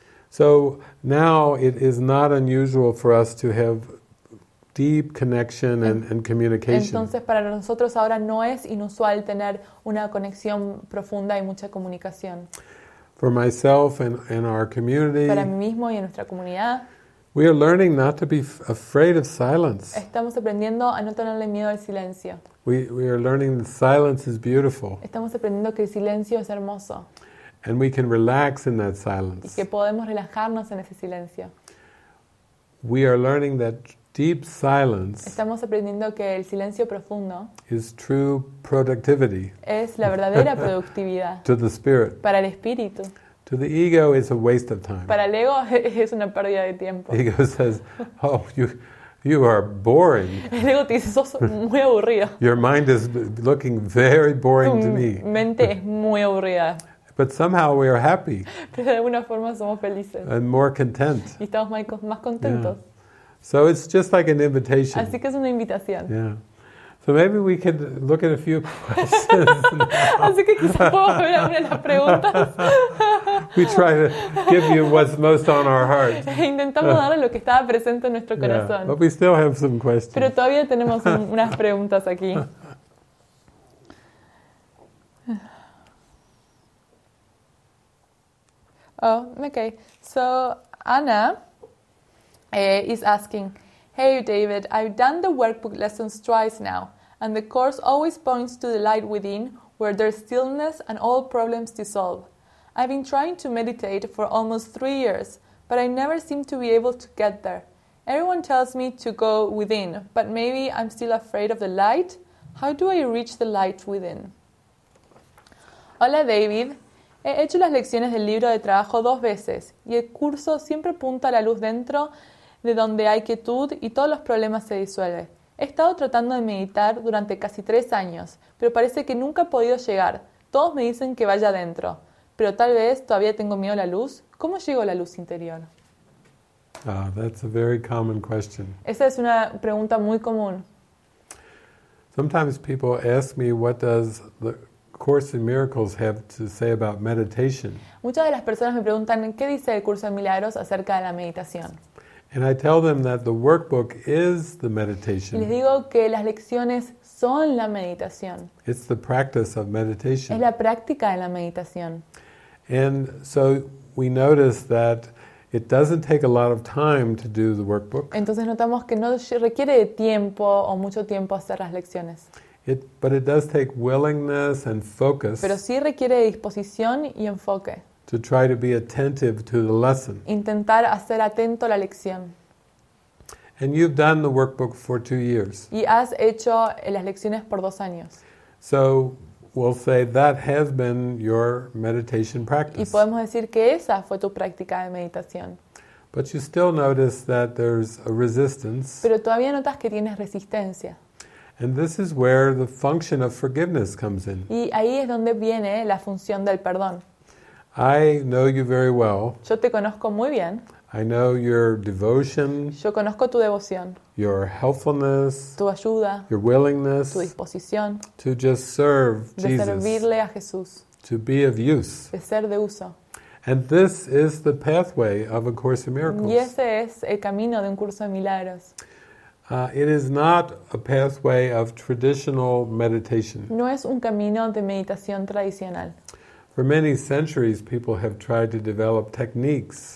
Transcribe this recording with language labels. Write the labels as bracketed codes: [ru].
[en] So now it is not unusual for us to have deep connection and communication. [es] Entonces para nosotros ahora no es inusual tener una conexión profunda y mucha comunicación. [en] For myself and our community. [es] Para mí mismo y en nuestra comunidad. [en] We are learning not to be afraid of silence. [es] Estamos aprendiendo a no tenerle miedo al silencio. [en] We are learning that silence is beautiful. [es] Estamos aprendiendo que el silencio es hermoso. [en] And we can relax in that silence. [es] Y que podemos relajarnos en ese silencio. [en] We are learning that deep silence. [es] Estamos aprendiendo que el silencio profundo [en] is true productivity. [es] Es la verdadera productividad. [en] To the spirit. [es] Para el espíritu. [en] To the ego is a waste of time. [es] Para el ego es una pérdida de tiempo. [en] Ego says, "Oh, you are boring." [es] El ego te dice, "Sos muy aburrido." [en] Your mind is looking very boring to me. [es] Tu mente es muy aburrida. [en] But somehow we are happy. [es] Pero de alguna forma somos felices. [en] And more content. [es] Y estamos más contentos. Yeah. [en] So it's just like an invitation. [es] Así que es una invitación. [en] Yeah. So maybe we could look at a few questions. [es] Así que quizás podemos ver algunas preguntas. [en] We try to give you what's most on our heart. [es] Intentamos dar lo que estaba presente en nuestro corazón. [en] Yeah, but we still have some questions. [es] Pero todavía tenemos unas preguntas aquí. [en] Oh, okay. So Anna is asking, "Hey David, I've done the workbook lessons twice now, and the course always points to the light within, where there's stillness and all problems dissolve. I've been trying to meditate for almost 3 years, but I never seem to be able to get there. Everyone tells me to go within, but maybe I'm still afraid of the light. How do I reach the light within?" [es] Hola David, he hecho las lecciones del libro de trabajo dos veces, y el curso siempre apunta a la luz dentro, de donde hay quietud y todos los problemas se disuelven. He estado tratando de meditar durante casi 3 años, pero parece que nunca he podido llegar. Todos me dicen que vaya adentro, pero tal vez todavía tengo miedo a la luz. ¿Cómo llego a la luz interior? [en] Ah, that's a very common question. [es] Esa es una pregunta muy común. [en] Sometimes people ask me, what does the Course in Miracles have to say about meditation? [es] Muchas de las personas me preguntan, ¿qué dice el curso de milagros acerca de la meditación? [en] And I tell them that the workbook is the meditation. [es] Les digo que las lecciones son la meditación. [en] It's the practice of meditation. [es] Es la práctica de la meditación. [en] And so we notice that it doesn't take a lot of time to do the workbook. [es] Entonces notamos que no requiere de tiempo o mucho tiempo hacer las lecciones. [en] But it does take willingness and focus. [es] Pero sí requiere de disposición y enfoque. [en] To try to be attentive to the lesson. [es] Intentar hacer atento a la lección. [en] And you've done the workbook for 2 years. [es] Y has hecho las lecciones por 2 años. [en] So we'll say that has been your meditation practice. [es] Y podemos decir que esa fue tu práctica de meditación. [en] But you still notice that there's a resistance. [es] Pero todavía notas que tienes resistencia. [en] And this is where the function of forgiveness comes in. [es] Y ahí es donde viene la función del perdón. [en] I know you very well. [es] Yo te conozco muy bien. [en] I know your devotion. [es] Yo conozco tu devoción. [en] Your helpfulness. [es] Tu ayuda. [en] Your willingness. [es] Tu disposición. [en] To just serve Jesus. [es] De servirle a Jesús. [en] To be of use. [es] De ser de uso. [en] And this is the pathway of A Course in Miracles. [es] Y ese es el camino de Un Curso de Milagros. [en] It is not a pathway of traditional meditation. [es] No es un camino de meditación tradicional. [en] For many centuries, people have tried to develop techniques.